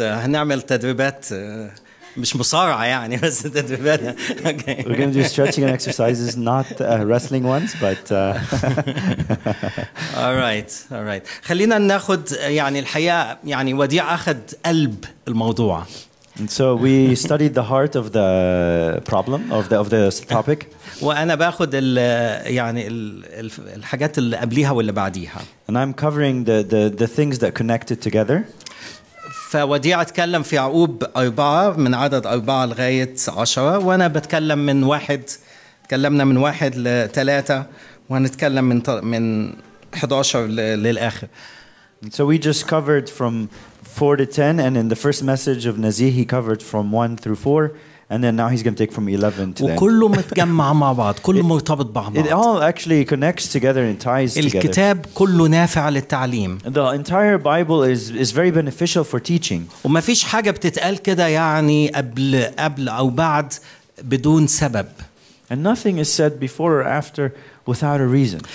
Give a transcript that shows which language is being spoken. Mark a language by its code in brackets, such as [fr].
[ar] نعمل تدريبات مش مصارعة يعني بس تدريبات. [en] Okay. We're going to do stretching and exercises, not wrestling ones, but. All right. [ar] خلينا ناخد يعني الحياة يعني وديع أخد قلب الموضوع. [en] And so we studied the heart of the problem of the topic. [ar] وأنا باخد ال يعني ال الحاجات اللي قبليها واللي بعديها. [en] And I'm covering the things that connected together. [ar] فوديع اتكلم في يعقوب 4 من عدد 4 لغاية 10 وأنا بتكلم من 1 تكلمنا من 1 ل 3 وهنتكلم من 11 للآخر. [en] So we just covered from 4 to 10 and in the first message of Naziuh he covered from 1 through 4 and then now he's going to take from 11 to 10. [ar] وكله متجمع مع بعض كله مرتبط ببعض. [en] It all actually connects together and ties together. [ar] الكتاب كله نافع للتعليم. [en] The entire Bible is very beneficial for teaching. [ar] وما فيش حاجة بتتقال كده يعني قبل أو بعد بدون سبب. [en] And nothing is said before or after without a reason.